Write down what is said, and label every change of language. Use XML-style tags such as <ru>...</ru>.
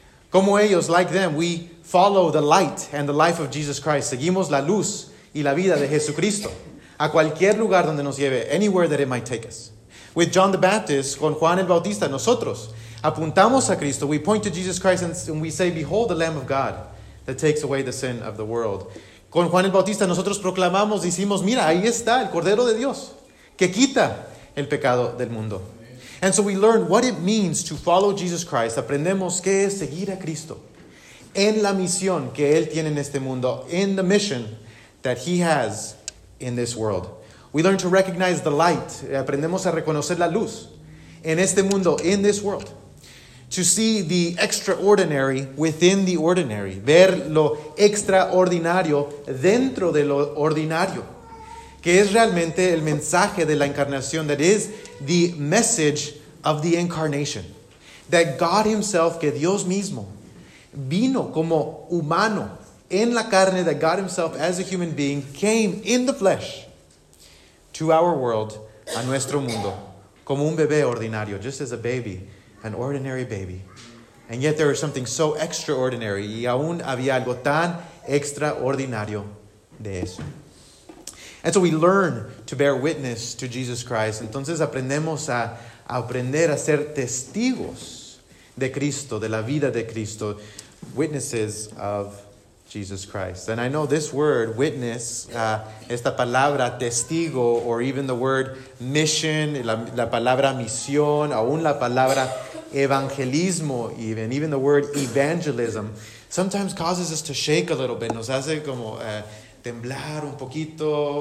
<es>Como ellos,</es> <en>like them, we follow the light and the life of Jesus Christ.</en> <es>Seguimos la luz y la vida de Jesucristo a cualquier lugar donde nos lleve,</es> <en>anywhere that it might take us. With John the Baptist,</en> <es>con Juan el Bautista, nosotros apuntamos a Cristo.</es> <en>We point to Jesus Christ and we say, behold the Lamb of God that takes away the sin of the world.</en> <es>Con Juan el Bautista, nosotros proclamamos, decimos, mira, ahí está el Cordero de Dios, que quita el pecado del mundo. Amen.</es> <en>And so we learn what it means to follow Jesus Christ.</en> <es>Aprendemos qué es seguir a Cristo en la misión que Él tiene en este mundo,</es> <en>in the mission that He has in this world. We learn to recognize the light.</en> <es>Aprendemos a reconocer la luz en este mundo,</es> <en>in this world. To see the extraordinary within the ordinary.</en> <es>Ver lo extraordinario dentro de lo ordinario. Que es realmente el mensaje de la encarnación.</es> <en>That is the message of the incarnation. That God himself,</en> <es>que Dios mismo, vino como humano en la carne.</es> <en>That God himself as a human being came in the flesh to our world,</en> <es>a nuestro mundo. Como un bebé ordinario,</es> <en>just as a baby. An ordinary baby. And yet there was something so extraordinary.</en> <es>Y aún había algo tan extraordinario de eso.</es> <en>And so we learn to bear witness to Jesus Christ.</en> <es>Entonces aprendemos a aprender a ser testigos de Cristo, de la vida de Cristo.</es> <en>Witnesses of Jesus Christ. And I know this word, witness,</en> <es>esta palabra testigo,</es> <en>or even the word mission,</en> <es>la palabra misión, aún la palabra evangelismo,</es> <en>even the word evangelism, sometimes causes us to shake a little bit.</en> <es>Nos hace como temblar un poquito.</es>